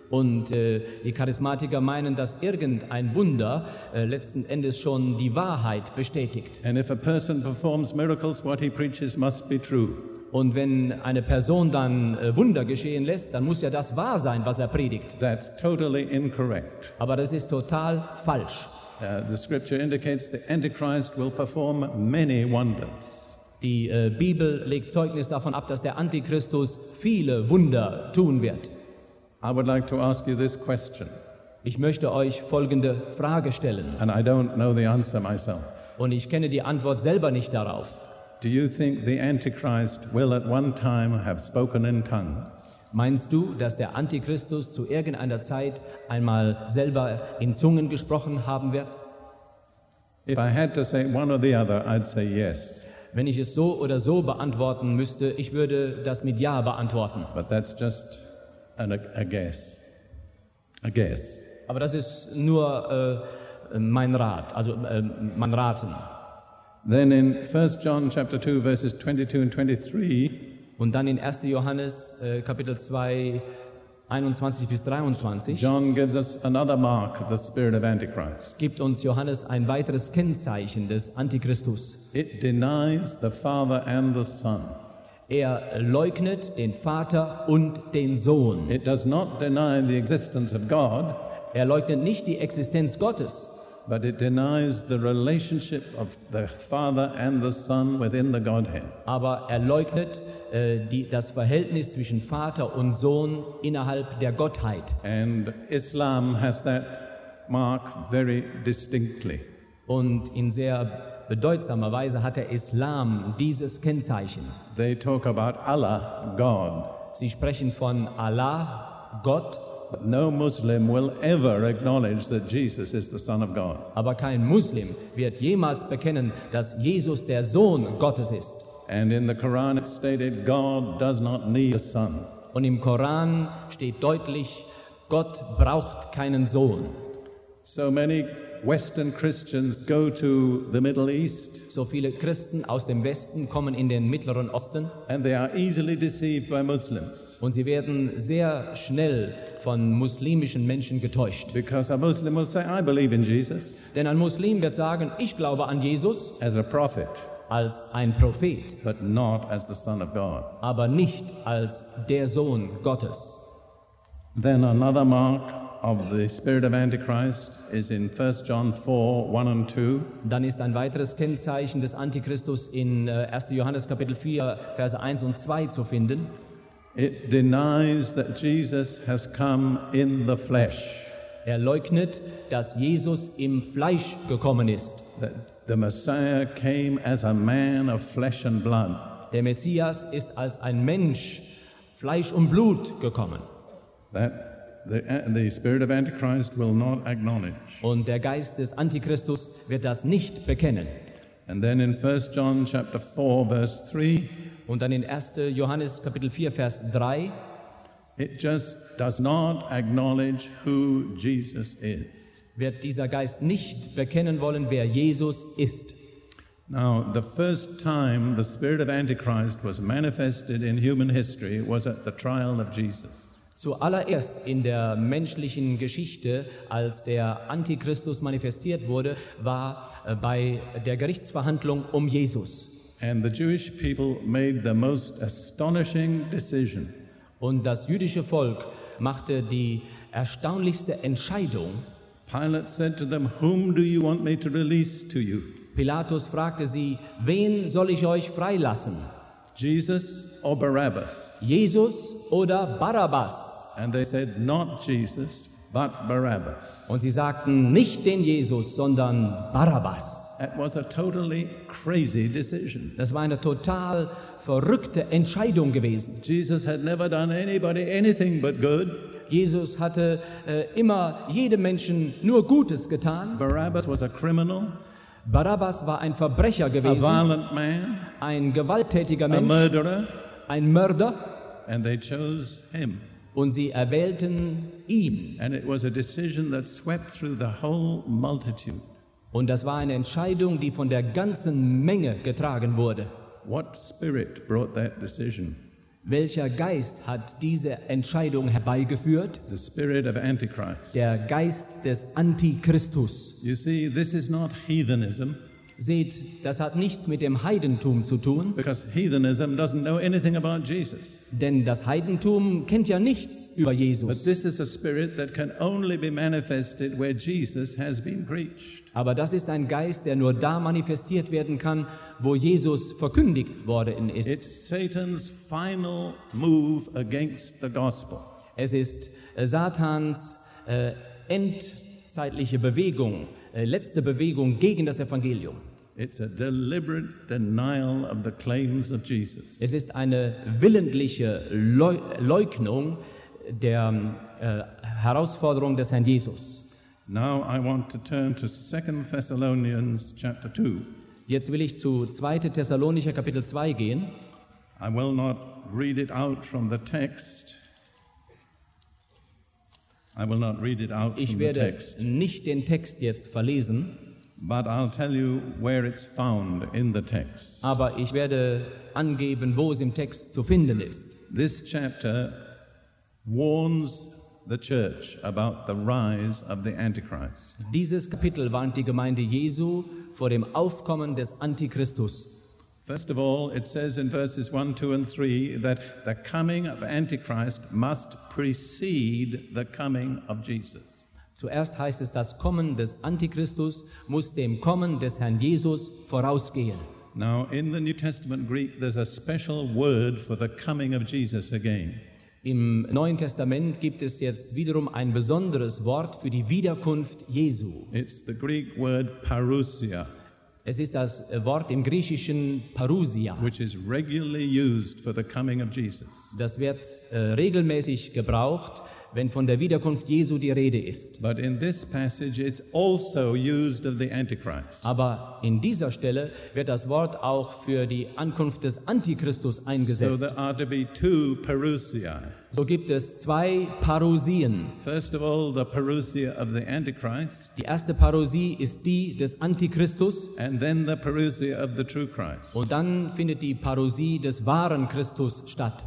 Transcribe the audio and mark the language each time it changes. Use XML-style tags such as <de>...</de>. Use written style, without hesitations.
<de>Und die Charismatiker meinen, dass irgendein Wunder letzten Endes schon die Wahrheit bestätigt.</de> <en>And if a person performs miracles, what he preaches must be true.</en> <de>Und wenn eine Person dann Wunder geschehen lässt, dann muss ja das wahr sein, was er predigt.</de> <en>That's totally incorrect.</en> <de>Aber das ist total falsch.</de> <en>The scripture indicates the Antichrist will perform many wonders.</en> <de>Die Bibel legt Zeugnis davon ab, dass der Antichristus viele Wunder tun wird.</de> <en>I would like to ask you this question.</en> <de>Ich möchte euch folgende Frage stellen.</de> <en>And I don't know the answer myself.</en> <de>Und ich kenne die Antwort selber nicht darauf.</de> <en>Do you think the Antichrist will at one time have spoken in tongues?</en> <de>Meinst du, dass der Antichristus zu irgendeiner Zeit einmal selber in Zungen gesprochen haben wird?</de> <en>If I had to say one or the other, I'd say yes.</en> <de>Wenn ich es so oder so beantworten müsste, ich würde das mit ja beantworten.</de> <en>But that's just a guess. A guess.</en> <de>Aber das ist nur mein Rat, also mein Raten.</de> <en>Then in 1 John chapter 2 verses 22 and 23.</en> <de>Und dann in 1. Johannes Kapitel 2 21 bis 23.</de> <en>John gives us another mark of the spirit of Antichrist.</en> <de>Gibt uns Johannes ein weiteres Kennzeichen des Antichristus.</de> <en>It denies the Father and the Son.</en> <de>Er leugnet den Vater und den Sohn.</de> <en>It does not deny the existence of God.</en> <de>Er leugnet nicht die Existenz Gottes.</de> <en>But it denies the relationship of the Father and the Son within the Godhead.</en> <de>Aber er leugnet das Verhältnis zwischen Vater und Sohn innerhalb der Gottheit.</de> <en>And Islam has that mark very distinctly.</en> <de>Und in sehr bedeutsamer Weise hat der Islam dieses Kennzeichen.</de> <en>They talk about Allah, God.</en> <de>Sie sprechen von Allah, Gott.</de> <en>But no Muslim will ever acknowledge that Jesus is the Son of God.</en> <de>Aber kein Muslim wird jemals bekennen, dass Jesus der Sohn Gottes ist.</de> <en>And in the Quran it's stated, God does not need a son.</en> <de>Und im Koran steht deutlich, Gott braucht keinen Sohn.</de> <en>So many Western Christians go to the Middle East.</en> <de>So viele Christen aus dem Westen kommen in den Mittleren Osten.</de> <en>And they are easily deceived by Muslims.</en> <de>Und sie werden sehr schnell von muslimischen Menschen getäuscht.</de> <en>Because a Muslim will say, I believe in Jesus.</en> <de>Denn ein Muslim wird sagen, ich glaube an Jesus.</de> <en>As a prophet.</en> <de>Als ein Prophet.</de> <en>But not as the Son of God.</en> <de>Aber nicht als der Sohn Gottes.</de> <en>Then another mark of the spirit of Antichrist is in 1 John 4, 1 and 2.</en> <de>Dann ist ein weiteres Kennzeichen des Antichristus in 1. Johannes Kapitel 4, Verse 1 und 2 zu finden.</de> <en>It denies that Jesus has come in the flesh.</en> <de>Er leugnet, dass Jesus im Fleisch gekommen ist.</de> <en>That the Messiah came as a man of flesh and blood.</en> <de>Der Messias ist als ein Mensch Fleisch und Blut gekommen.</de> <en>That the spirit of Antichrist will not acknowledge.</en> <de>Und der Geist des Antichristus wird das nicht bekennen.</de> <en>And then in 1 John chapter 4 verse 3.</en> <de>Und dann in 1. Johannes Kapitel 4 Vers 3.</de> <en>It just does not acknowledge who Jesus is.</en> <de>Wird dieser Geist nicht bekennen wollen, wer Jesus ist.</de> <en>Now, the first time the spirit of Antichrist was manifested in human history was at the trial of Jesus.</en> <de>Zuallererst in der menschlichen Geschichte, als der Antichristus manifestiert wurde, war bei der Gerichtsverhandlung um Jesus.</de> <en>And the Jewish people made the most astonishing decision.</en> <de>Und das jüdische Volk machte die erstaunlichste Entscheidung.</de> <en>Pilate said to them, "Whom do you want me to release to you?"</en> <de>Pilatus fragte sie, "Wen soll ich euch freilassen?"</de> <en>Jesus or Barabbas?</en> <de>Jesus oder Barabbas?</de> <en>And they said, "Not Jesus, but Barabbas."</en> <de>Und sie sagten, nicht den Jesus, sondern Barabbas.</de> <en>It was a totally crazy decision.</en> <de>Das war eine total verrückte Entscheidung gewesen.</de> <en>Jesus had never done anybody anything but good.</en> <de>Jesus hatte immer jedem Menschen nur Gutes getan.</de> <en>Barabbas was a criminal.</en> <de>Barabbas war ein Verbrecher gewesen.</de> <en>A violent man.</en> <de>Ein gewalttätiger Mensch.</de> <en>A murderer.</en> <de>Ein Mörder.</de> <en>And they chose him.</en> <de>Und sie erwählten ihn.</de> <en>And it was a decision that swept through the whole multitude.</en> <de>Und das war eine Entscheidung, die von der ganzen Menge getragen wurde.</de> <en>What spirit brought that decision?</en> <de>Welcher Geist hat diese Entscheidung herbeigeführt?</de> <en>The spirit of Antichrist.</en> <de>Der Geist des Antichristus.</de> <en>You see, this is not heathenism.</en> <de>Seht, das hat nichts mit dem Heidentum zu tun.</de> <en>Because heathenism doesn't know anything about Jesus.</en> <de>Denn das Heidentum kennt ja nichts über Jesus.</de> <en>But this is a spirit that can only be manifested where Jesus has been preached.</en> <de>Aber das ist ein Geist, der nur da manifestiert werden kann, wo Jesus verkündigt worden ist.</de> <en>It's Satan's final move against the gospel.</en> <de>Es ist Satans endzeitliche Bewegung, letzte Bewegung gegen das Evangelium.</de> <en>It's a deliberate denial of the claims of Jesus.</en> <de>Es ist eine willentliche Leugnung der Herausforderung des Herrn Jesus.</de> <en>Now I want to turn to 2 Thessalonians chapter 2.</en> <de>Jetzt will ich zu 2. Thessalonicher Kapitel 2 gehen.</de> <en>I will not read it out from the text. I will not read it out from the text.</en> <de>Ich werde nicht den Text jetzt verlesen.</de> <en>But I'll tell you where it's found in the text.</en> <de>Aber ich werde angeben, wo es im Text zu finden ist.</de> <en>This chapter warns the church about the rise of the Antichrist.</en> <de>Dieses Kapitel warnt die Gemeinde Jesu vor dem Aufkommen des Antichristus.</de> <en>First of all, it says in verses 1, 2 and 3 that the coming of Antichrist must precede the coming of Jesus.</en> <de>Zuerst heißt es, das Kommen des Antichristus muss dem Kommen des Herrn Jesus vorausgehen.</de> <en>Now, in the New Testament Greek, there's a special word for the coming of Jesus again.</en> <de>Im Neuen Testament gibt es jetzt wiederum ein besonderes Wort für die Wiederkunft Jesu.</de> <en>It's the Greek word parousia.</en> <de>Es ist das Wort im Griechischen parousia.</de> <en>Which is regularly used for the coming of Jesus.</en> <de>Das wird regelmäßig gebraucht, wenn von der Wiederkunft Jesu die Rede ist.</de> <en>But in this passage it's also used of the Antichrist.</en> <de>Aber in dieser Stelle wird das Wort auch für die Ankunft des Antichristus eingesetzt.</de> <en>So there are to be two parousia.</en> <de>So gibt es zwei Parousien.</de> <en>First of all, the parousia of the Antichrist.</en> <de>Die erste Parousie ist die des Antichristus.</de> <en>And then the parousia of the true Christ.</en> <de>Und dann findet die Parousie des wahren Christus statt.</de>